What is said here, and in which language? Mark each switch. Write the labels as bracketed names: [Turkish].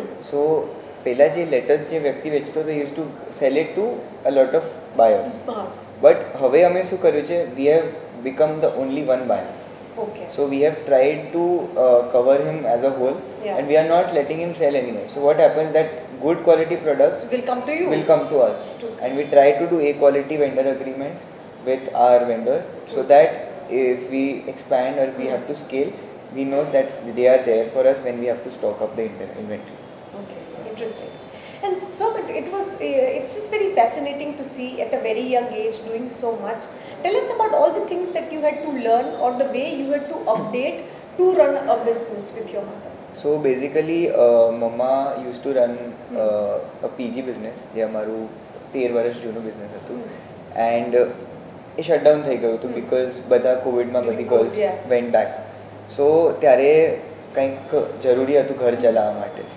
[English] so પહેલા જે let's [Gujarati] જે વ્યક્તિ વેચતો હતો [English] use to sell it to a lot of buyers, but [Gujarati] હવે અમે શું કર્યું છે, [English] We have become the only one buyer. Okay, so we have tried to cover him as a whole and we are not letting him sell anywhere. So what happens that good quality products will come to us, and we try to do a quality vendor agreement with our vendors. True. So that if we expand or we have to scale, we know that they are there for us when we have to stock up the inventory. Okay, interesting. And so it's just very fascinating to see at a very young age doing so much. Tell us about all the things that you had to learn or the way you had to update to run a business with your mother. So basically mamma used to run a PG business, [Gujarati] જે અમારું 13 વર્ષ જૂનું business હતું, [English] and એ shutdown [Gujarati] થઈ ગયું હતું [English] because [Gujarati] બધા કોવિડમાં બધી [English] Girls went back. [Gujarati] સો ત્યારે કંઈક જરૂરી હતું ઘર ચલાવવા માટે.